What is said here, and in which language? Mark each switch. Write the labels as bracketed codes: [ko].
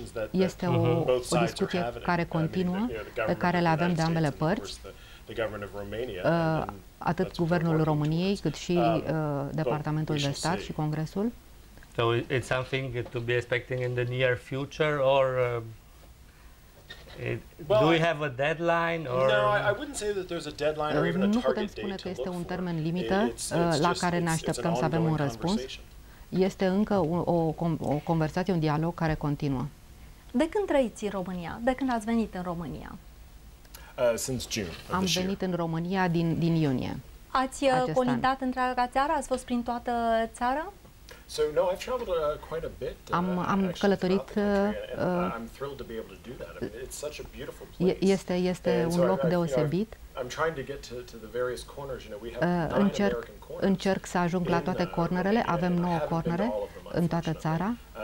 [ro] Este o discuție care continuă, pe care le avem de ambele părți. [en] The government of Romania, [ro] atât guvernul României, cât și Departamentul de Stat și Congresul. [en] So it's something to be expecting in the near future, or do we have a deadline? Or... No, I wouldn't say that there's a deadline or even a target date. [ro] Nu spune că este un termen limită la care ne așteptăm să avem un răspuns. Este încă o conversație, un dialog care continuă. De când trăiți în România? De când ați venit în România? [en] Since June. [ro] Am venit în România din iunie. Ați colindat întreaga țară? Ați fost prin toată țara? [en] So no, I've traveled quite a bit. [ro] Am călătorit. [en] I'm thrilled to be able to do that. I mean, it's such a beautiful place. [ro] Este un loc deosebit. [en] I'm trying to get to the various corners, you know, we have nine American corners. [ro] Încerc să ajung la toate cornerele. Avem 9 cornere în toată țara.